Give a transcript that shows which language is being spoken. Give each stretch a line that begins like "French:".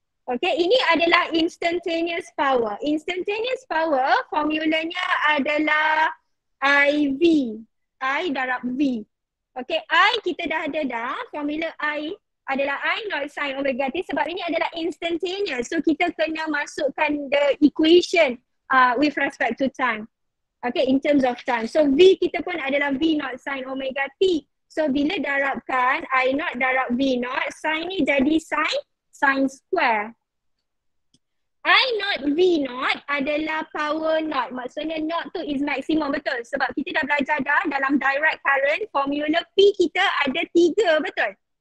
Malay: Okay, ini adalah instantaneous power. Instantaneous power formulanya adalah IV. I darab V. Okay, I kita dah ada dah. Formula I adalah I not sin omega T sebab ini adalah instantaneous. So kita kena masukkan
English: the equation with respect to time. Okay, in terms of time.
Malay: So V kita pun adalah V not sin omega T. So bila darabkan I not darab V not, sin ni jadi sin square. I not V not adalah power not. Maksudnya not tu is maximum, betul. Sebab kita dah belajar dah dalam direct current, formula P kita ada tiga, betul.